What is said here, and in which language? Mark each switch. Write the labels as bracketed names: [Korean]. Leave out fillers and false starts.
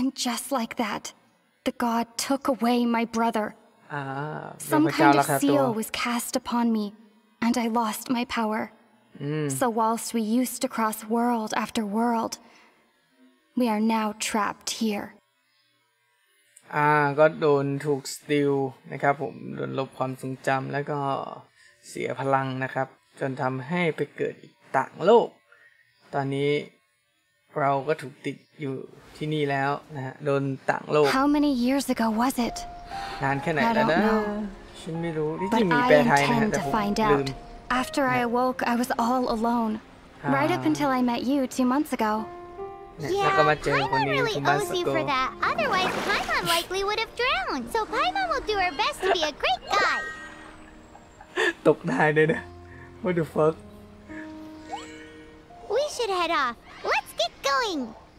[English] Just like that, the god took away my brother. Some kind of seal was cast upon me, and I lost my power. So whilst we used to cross world after world, we are now trapped here. [Thai] ก็โดนถูกสติลนะครับผมโดนลบความทรงจำแล้วก็เสียพลังนะครับจนทำให้ไปเกิดอีกต่างโลกตอนนี้เราก็ถูกติดอยู่ที่นี่แล้วนะฮะโดนต่างโลก [English] How many years ago was it? [Thai] นานแค่ไหนแล้วนะฉันไม่รู้ที่จริงมีแปลไทยนะแต่ผมลืม [English] After I awoke I was all alone right up until I met you 2 months ago Yeah Paimon really owes you for that otherwise Paimon likely would have drowned so Paimon will do her best to be a great guy [Thai] ตกได้เลยนะ [English] What the fuck We should head offLet's get going.